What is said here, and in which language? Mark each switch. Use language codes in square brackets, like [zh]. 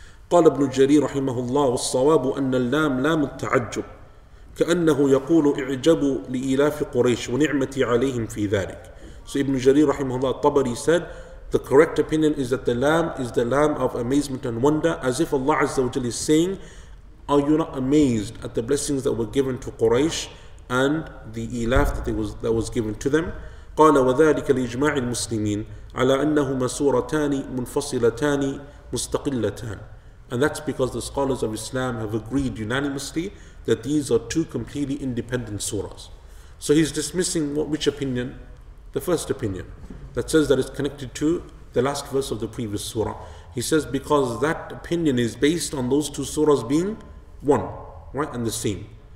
[ar] قال ابن جرير رحمه الله والصواب أن اللام لام التعجب كأنه يقول اعجبوا لإلاف قريش ونعمتي عليهم في ذلك. [en] So ابن جرير [ar] رحمه الله [en] الطبري said the correct opinion is that the lam is the lam of amazement and wonder, as if Allah Azza wa Jalla is saying, are you not amazed at the blessings that were given to Quraysh and the إلاف that was given to them. [ar] قال وذلك لإجماع المسلمين على أنهما سورتان منفصلتان مستقلتان. [en] And that's because the scholars of Islam have agreed unanimously that these are two completely independent surahs. So he's dismissing which opinion? The first opinion that says that it's connected to the last verse of the previous surah. He says because that opinion is based on those two surahs being one, right, and the same.